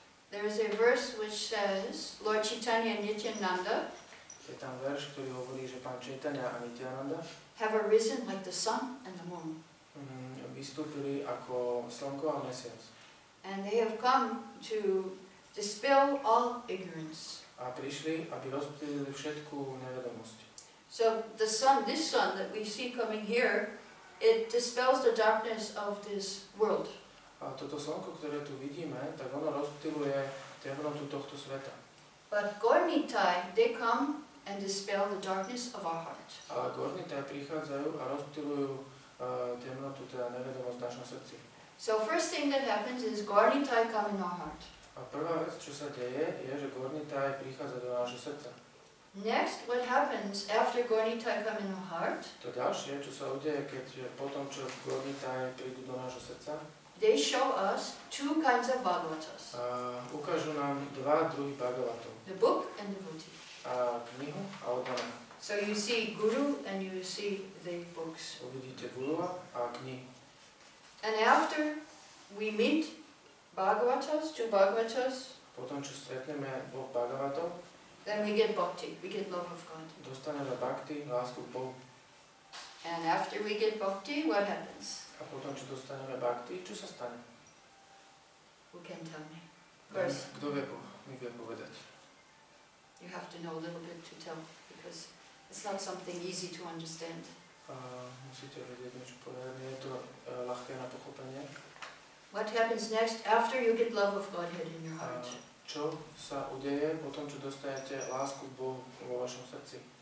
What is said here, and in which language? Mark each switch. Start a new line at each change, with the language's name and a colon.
English: There is a verse which says Lord Chaitanya and Nityananda.
Slovak: Je tam verš, ktorý hovorí, že pán Chaitanya a Nityananda
English: have arisen like the sun and the moon.
Slovak: Vystúpili ako slnko a mesiac.
English: And they have come to dispel all ignorance.
Slovak: A prišli, aby rozptýlili všetku nevedomosť.
English: So the sun, this sun that we see coming here, it dispels the darkness of this world.
Slovak: A toto slnko, ktoré tu vidíme, tak ono rozptýluje temnotu tohto sveta.
English: But Gornitai, they come and dispel the darkness of our heart.
Slovak: A Gornitai prichádzajú a rozptýlujú temnotu, teda nevedomosť v našom srdci.
English: So first thing that happens is Gornitai come in our heart.
Slovak: A prvá vec, čo sa deje, je, že Gornitai prichádza do nášho srdca.
English: Next, what happens after Gornitai come in our heart?
Slovak: To ďalšie, čo sa udeje, keď potom, čo Gornitai prídu do nášho srdca?
English: They show us two kinds of bhagavatas.
Slovak: Ukážu nám dva druhy bhagavatov.
English: The book and the devotee.
Slovak: A knihu a oddaná.
English: So you see guru and you see the books.
Slovak: Uvidíte guruva a knihy.
English: And after we meet bhagavatas, two bhagavatas,
Slovak: potom, čo stretneme dvoch bhagavatov,
English: then we get bhakti, we get love of God.
Slovak: Dostaneme bhakti, lásku k Bohu.
English: And after we get bhakti, what happens?
Slovak: A potom, čo dostaneme bhakti, čo sa stane?
English: Who can tell me?
Slovak: Kto vie Boh? My vie povedať.
English: You have to know a little bit to tell, because it's not something easy to understand.
Slovak: Musíte vedieť niečo povedať, nie je to ľahké na pochopenie.
English: What happens next after you get love of Godhead in your heart?
Slovak: Čo sa udeje potom, čo dostajete lásku Bohu vo vašom srdci?